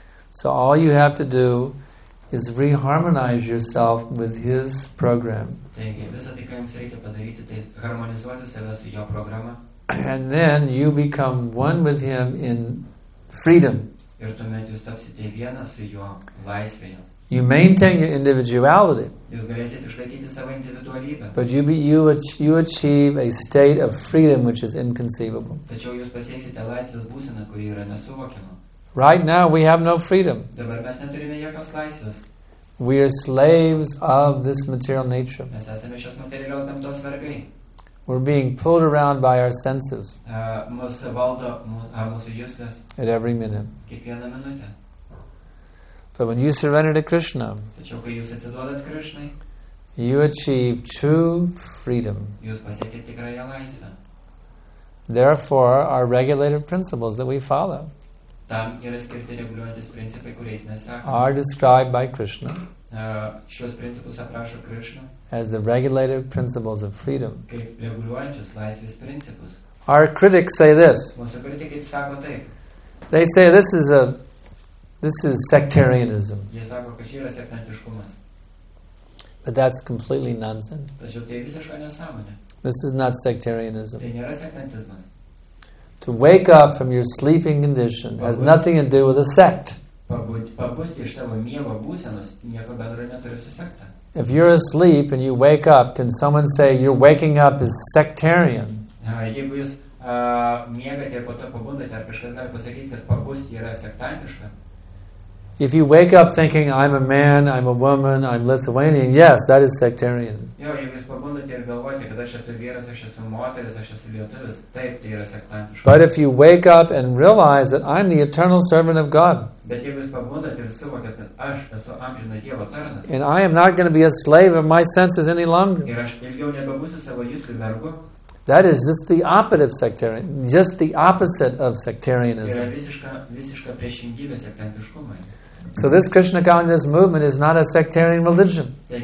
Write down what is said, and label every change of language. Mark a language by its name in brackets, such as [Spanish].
[English] So all you have to do is reharmonize yourself with His program. And then you become one with Him in freedom. [Lithuanian] Ir tuomet jūs tapsite vienas su juo laisvėje. [English] You maintain your individuality. [Lithuanian] Jūs galėsite išlaikyti savo individualybę. [English] But you achieve a state of freedom which is inconceivable. [Lithuanian] Tačiau jūs pasieksite laisvės būseną, kuri yra nesuvokiama. [English] Right now we have no freedom. [Lithuanian] Dabar mes neturime jokios laisvės. [English] We are slaves of this material nature. [Lithuanian] Mes esame šios materialios gamtos vergai. [English] We're being pulled around by our senses. [Lithuanian] Mūsų juslės. [English] At every minute. [Lithuanian] Kiekvieną minutę. [English] But when you surrender to Krishna, [Lithuanian] tačiau kai jūs atsiduodat Krishnai, [English] you achieve true freedom. [Lithuanian] Jūs pasiekite tikrąją laisvę. [English] Therefore, our regulated principles that we follow [Lithuanian] tam yra skirti reguliuojantys principai, kuriais mes sakome, [English] are described by Krishna. [Lithuanian] Šios principus aprašo Krishna [English] as the regulated principles of freedom. [Lithuanian] Kaip reguliuojančios laisvės principus. [English] Our critics say this. [Lithuanian] Mūsų kritikai sako taip. [English] They say this is sectarianism. [Lithuanian] Jie sako, kad čia yra sektantiškumas. [English] But that's completely nonsense. [Lithuanian] Tačiau tai visiškai nesąmonė. [English] This is not sectarianism. [Lithuanian] Tai nėra sektantizmas. [English] To wake up from your sleeping condition has nothing to do with a sect. [Lithuanian] Pabusti iš tavo miego būsenos nieko bendro neturi su sekta. [English] If you're asleep and you wake up, can someone say your waking up is sectarian? [Lithuanian] Jeigu jūs miegate ir po to pabundate, ar kažkas gali pasakyti, kad pabusti yra sektantiška? [English] If you wake up thinking I'm a man, I'm a woman, I'm Lithuanian, yes, that is sectarian. [Lithuanian] Jo, jeigu jūs pabundate ir galvojate, kad aš esu vyras, aš esu moteris, aš esu lietuvis, taip, tai yra sektantiška. [English] But if you wake up and realize that I'm the eternal servant of God, [Lithuanian] bet jeigu jūs pabundate ir suvokiate, kad aš esu amžinas Dievo tarnas, [English] and I am not going to be a slave of my senses any longer, [Lithuanian] ir aš ilgiau nebebūsiu savo juslių vergu, [English] that is just the opposite of sectarian, just the opposite of sectarianism. [Lithuanian] Yra visiška priešingybė sektantiškumui. [English] So this Krishna consciousness movement is not a sectarian religion.